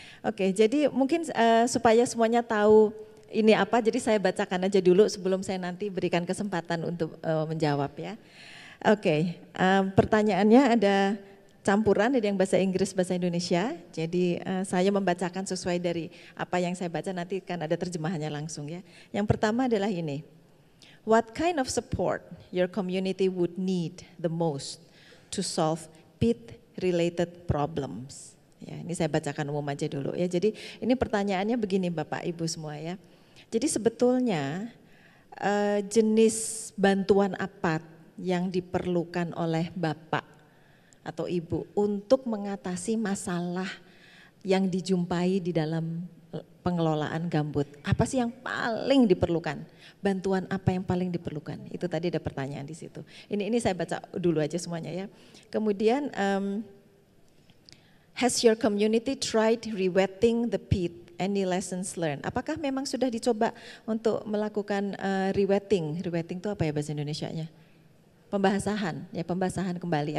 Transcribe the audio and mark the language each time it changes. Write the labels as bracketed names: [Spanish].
[Indonesian] Oke, jadi mungkin supaya semuanya tahu ini apa, jadi saya bacakan aja dulu sebelum saya nanti berikan kesempatan untuk menjawab ya. Oke, pertanyaannya ada campuran dari yang bahasa Inggris, bahasa Indonesia. Jadi saya membacakan sesuai dari apa yang saya baca, nanti kan ada terjemahannya langsung ya. Yang pertama adalah ini. [English] What kind of support your community would need the most to solve peat-related problems? [Indonesian] Ya, ini saya bacakan umum aja dulu ya. Jadi ini pertanyaannya begini Bapak, Ibu semua ya. Jadi sebetulnya jenis bantuan apa yang diperlukan oleh Bapak atau ibu untuk mengatasi masalah yang dijumpai di dalam pengelolaan gambut. Apa sih yang paling diperlukan? Bantuan apa yang paling diperlukan? Itu tadi ada pertanyaan di situ. Ini saya baca dulu aja semuanya ya. Kemudian, [English] has your community tried rewetting the peat? Any lessons learned? [Indonesian] Apakah memang sudah dicoba untuk melakukan rewetting? Rewetting itu apa ya bahasa Indonesianya? Pembasahan, ya pembasahan kembali.